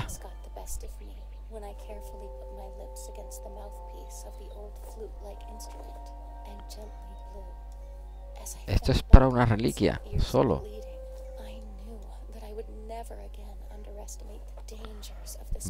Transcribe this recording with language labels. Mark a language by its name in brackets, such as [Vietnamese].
[English] Got the best of me when I carefully put my lips against the mouthpiece of the old flute-like instrument and gently blew. [Spanish] Esto es para una reliquia, solo. [English] I knew that I would never again underestimate the dangers of this.